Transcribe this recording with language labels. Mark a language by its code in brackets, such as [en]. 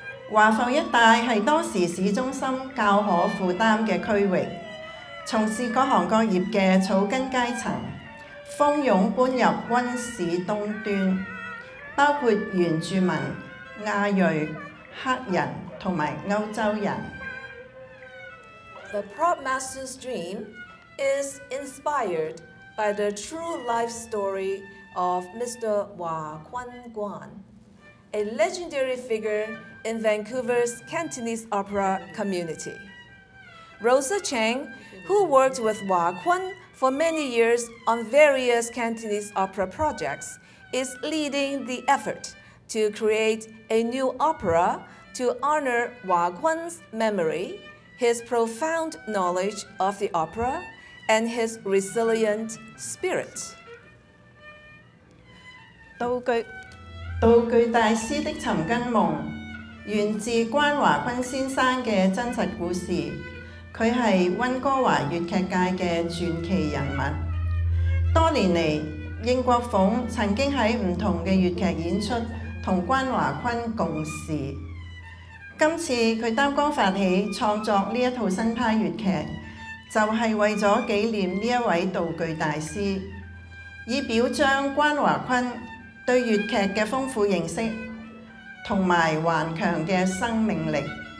[yue] 華埠一帶係當時市中心較可負擔嘅區域，從事各行各業嘅草根階層蜂擁搬入溫市東端，包括原住民、亞裔、黑人同埋歐洲人。 [en] The prop master's dream is inspired by the true life story of Mr. Wah Kwan Gwan, a legendary figure in Vancouver's Cantonese opera community. Rosa Cheng, who worked with Wah Kwan for many years on various Cantonese opera projects, is leading the effort to create a new opera to honor Wah Kwan's memory, his profound knowledge of the opera, and his resilient spirit. [yue] 道具大師的尋根夢源自關華坤先生的真實故事，他是溫哥華粵劇界的傳奇人物。多年來，應國鳳曾經在不同的粵劇演出和關華坤共事，今次他擔綱發起創作這一套新派粵劇，就是為了紀念這一位道具大師，以表彰關華坤對粵劇的豐富認識和頑強的生命力。